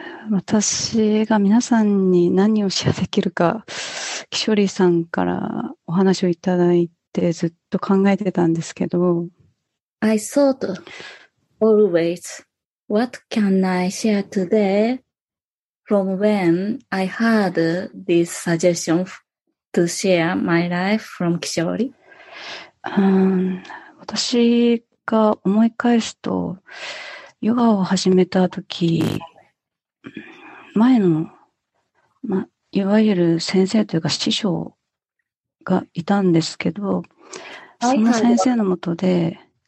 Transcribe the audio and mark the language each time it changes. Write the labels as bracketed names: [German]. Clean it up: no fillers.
[Japanese] 私が皆さんに何をシェアできるか、キショリーさんからお話をいただいてずっと考えてたんですけど。 [English] I thought always, what can I share today from when I heard this suggestion to share my life from キショリー。 [Japanese] 私が思い返すと、ヨガを始めた時、前の、ま、いわゆる先生というか師匠がいたんですけど、その先生のもとで、